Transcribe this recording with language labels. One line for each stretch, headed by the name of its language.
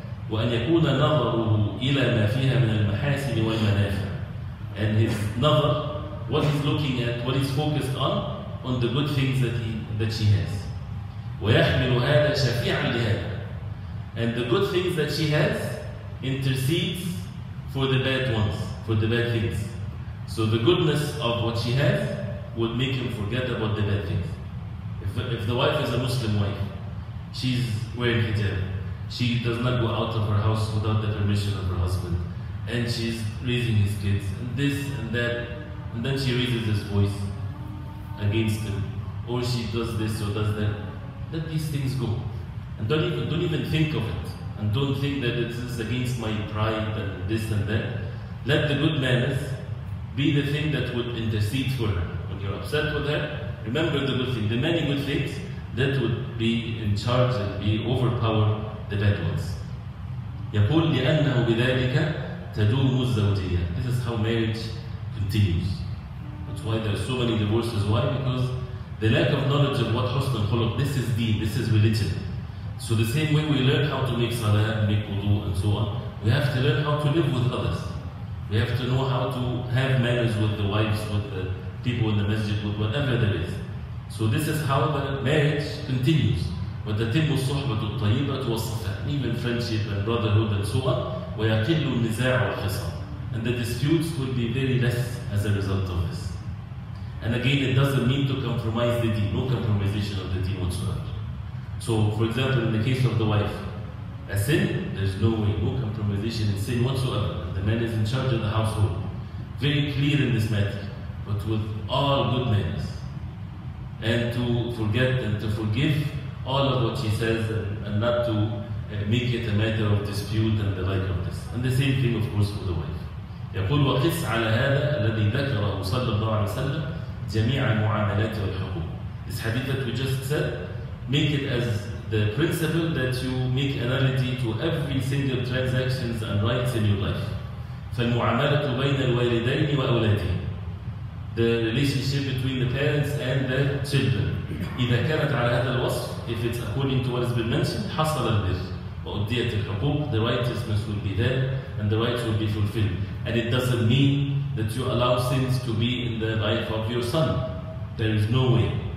Arabic: وأن يكون نظره إلى ما فيها من المحاسن والمنافع.
English: And his nazar, what he's looking at, what he's focused on the good things that she has.
Arabic: ويحمل هذا شفيعا لهذا.
English: And the good things that she has intercedes for the bad ones, for the bad things. So the goodness of what she has would make him forget about the bad things. If the wife is a Muslim wife, she's wearing hijab, she does not go out of her house without the permission of her husband, and she's raising his kids, and this and that, and then she raises his voice against him, or she does this or does that, let these things go. And don't even think of it, and don't think that it's against my pride and this and that. Let the good manners be the thing that would intercede for her. When you're upset with her, remember the good thing, the many good things that would be in charge and be overpower the bad ones.
Arabic: يقول لأنه بذلك تدوم الزوجية.
English: This is how marriage continues. That's why there are so many divorces. Why? Because the lack of knowledge of what
Arabic: حسن الخلق,
English: this is deen, this is religion. So the same way we learn how to make salah, make wudu and so on, we have to learn how to live with others. We have to know how to have manners with the wives, with the people in the masjid, with whatever there is. So this is how the marriage continues.
Arabic: وتتم الصحبة الطيبة والصفاء.
English: Even friendship and brotherhood and so on.
Arabic: ويقل النزاع والخصام.
English: And the disputes will be very less as a result of this. And again, it doesn't mean to compromise the deen. No compromisation of the deen whatsoever. So for example, in the case of the wife, a sin, there's no way, no compromisation in sin whatsoever. The man is in charge of the household. Very clear in this matter. But with all good manners. And to forget and to forgive all of what she says and not to make it a matter of dispute and the like of this. And the same thing, of course, for the wife.
Arabic: يقول وقس على هذا الذي ذكره صلى الله عليه وسلم جميع المعاملات والحقوق.
English: This hadith that we just said, make it as the principle that you make analogy to every single transactions and rights in your life.
Arabic: فالمعاملة بين الوالدين وأولادهم.
English: The relationship between the parents and the children.
Arabic: إذا كانت على هذا الوصف,
English: if it's according to what has been mentioned,
Arabic: حصل البر وأديت الحقوق,
English: the righteousness will be there and the rights will be fulfilled. And it doesn't mean that you allow sins to be in the life of your son. There is no way.